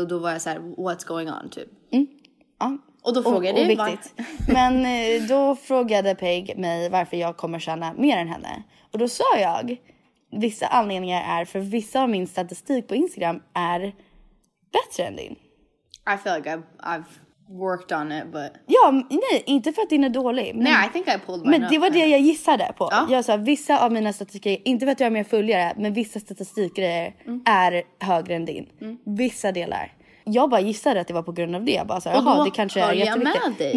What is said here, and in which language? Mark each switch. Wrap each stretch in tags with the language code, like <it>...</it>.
<sv>Och då var jag så här,</sv> <en>what's going on,</en> <sv>typ. Mm. Ja. Och då frågade du viktigt. Men då frågade Peg mig varför jag kommer tjäna mer än henne. Och då sa jag, vissa anledningar är för vissa av min statistik på Instagram är bättre än din.</sv> <en>I feel like I've worked on it, but...</en> <sv>Ja, nej, inte för att din är dålig. Nej,</sv> <en>I think I pulled my</en> <sv>Men det var det jag gissade på. Jag sa, vissa av mina statistiker, inte för att jag är mer följare, men vissa statistiker är högre än din. Mm. Vissa delar. Jag bara gissade att det var på grund av det. Jag bara så här, och då det kanske höll jag med dig.</sv>